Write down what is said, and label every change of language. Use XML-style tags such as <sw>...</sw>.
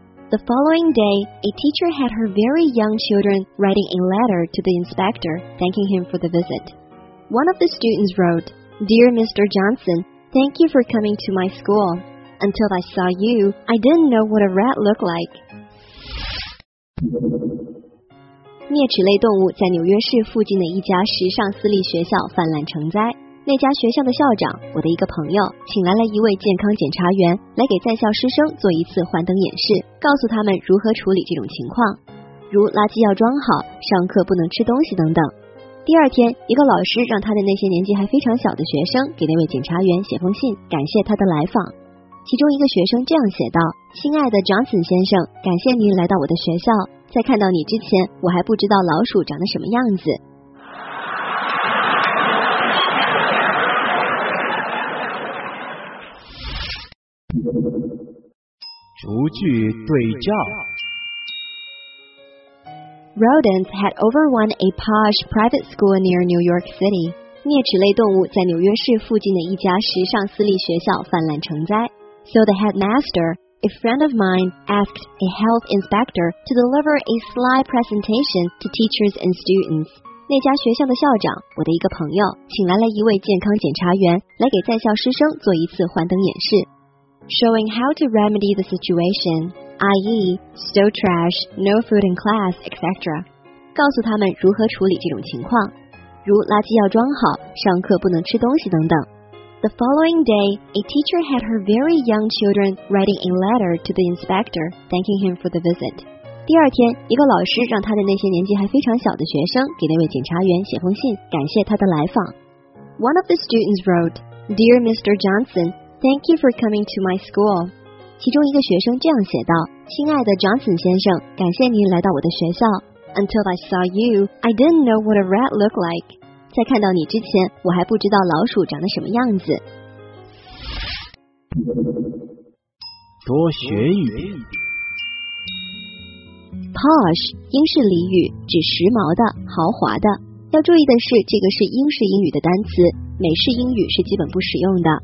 <en>The following day, a teacher had her very young children writing a letter to the inspector thanking him for the visit. One of the students wrote, Dear Mr. Johnson, thank you for coming to my school. Until I saw you, I didn't know what a rat looked like.</en> <zh>啮齿类动物在纽约市附近的一家时尚私立学校泛滥成灾。那家学校的校长，我的一个朋友，请来了一位健康检查员来给在校师生做一次幻灯演示，告诉他们如何处理这种情况，如垃圾要装好，上课不能吃东西等等。第二天，一个老师让他的那些年纪还非常小的学生给那位检查员写封信，感谢他的来访。其中一个学生这样写道，亲爱的 Johnson 先生，感谢您来到我的学校，在看到你之前，我还不知道老鼠长得什么样子。逐句对照。</zh> <en>Rodents had overrun a posh private school near New York City.</en> <zh>啮齿类动物在纽约市附近的一家时尚私立学校泛滥成灾。</zh> <en>So the headmaster, a friend of mine, asked a health inspector to deliver a slide presentation to teachers and students.</en> <zh>那家学校的校长，我的一个朋友，请来了一位健康检查员来给在校师生做一次幻灯演示。</zh> <en>Showing how to remedy the situation, i.e., stow trash, no food in class, etc.</en> <zh>告诉他们如何处理这种情况，如垃圾要装好，上课不能吃东西等等。</zh> <en>The following day, a teacher had her very young children writing a letter to the inspector, thanking him for the visit.</en> <zh>第二天，一个老师让他的那些年纪还非常小的学生给那位检察员写封信，感谢他的来访。</zh> <en>One of the students wrote, Dear Mr. Johnson, thank you for coming to my school.</en> <zh>其中一个学生这样写道，亲爱的 Johnson 先生，感谢您来到我的学校。</zh> <en>Until I saw you, I didn't know what a rat looked like.</en> <zh>在看到你之前，我还不知道老鼠长得什么样子。多学一点。 Posh 英式俚语，指时髦的、豪华的。要注意的是，这个是英式英语的单词，美式英语是基本不使用的。</zh>